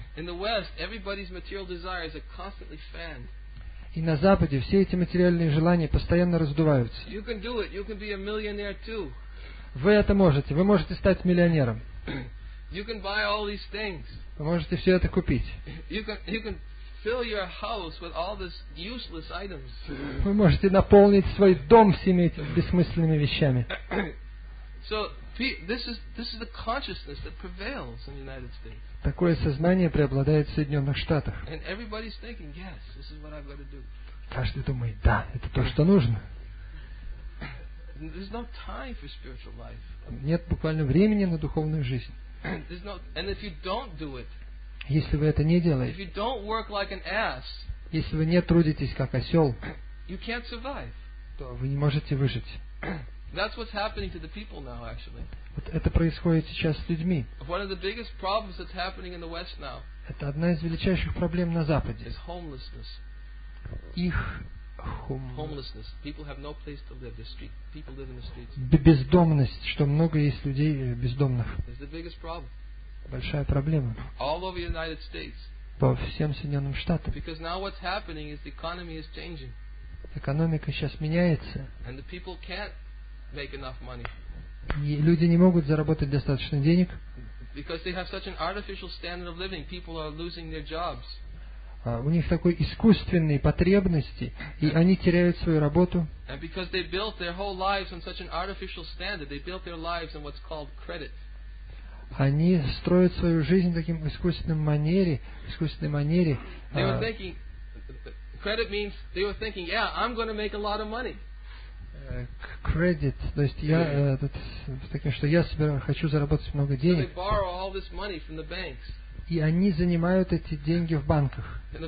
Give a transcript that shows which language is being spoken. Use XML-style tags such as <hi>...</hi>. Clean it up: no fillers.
<ru>И на Западе все эти материальные желания постоянно раздуваются. Вы это можете. Вы можете стать миллионером.</ru> <en>You can buy all these things.</en> <ru>Вы можете все это купить.</ru> <en>You can fill your house with all these useless items.</en> <ru>Вы можете наполнить свой дом всеми этими бессмысленными вещами.</ru> <en>So this is the consciousness that prevails in the United States.</en> <ru>Такое сознание преобладает в Соединенных Штатах.</ru> <en>And everybody's thinking, yes, this is what I've got to do.</en> <ru>Каждый думает, да, это то, что нужно.</ru> <en>There's no time for spiritual life.</en> <ru>Нет буквально времени на духовную жизнь.</ru> <en>And if you don't do it,</en> <ru>если вы это не делаете,</ru> <en>if you don't work like an ass,</en> <ru>если вы не трудитесь как осел,</ru> <en>you can't survive.</en> <ru>То вы не можете выжить.</ru> <en>That's what's happening to the people now, actually.</en> <ru>Вот это происходит сейчас с людьми.</ru> <en>One of the biggest problems that's happening in the West now,</en> <ru>это одна из величайших проблем на Западе.</ru> <en>Is homelessness. Их homelessness. People have no place to live. The street. People live in the streets.</en> <ru>Бездомность, что много есть людей бездомных.</ru> <en>It's the biggest problem.</en> <ru>Большая проблема.</ru> <en>All over the United States.</en> <ru>По всем Соединенным Штатам.</ru> <en>Because now what's happening is the economy is changing.</en> <ru>Экономика сейчас меняется.</ru> <en>And the people can't make enough money.</en> <ru>И люди не могут заработать достаточно денег.</ru> <en>Because they have such an artificial standard of living, people are losing their jobs.</en> <ru>У них такой искусственные потребности, и они теряют свою работу.</ru> <en>And because they built their whole lives on such an artificial standard, they built their lives on what's called credit.</en> <ru>Они строят свою жизнь в таким искусственной манере.</ru> <en>They were thinking, credit means, they were thinking, yeah, I'm going to make a lot of money.</en> <ru>Credit, то есть я хочу заработать много денег.</ru> <en>So they borrow all this money from the banks.</en> <ru>И они занимают эти деньги в банках.</ru>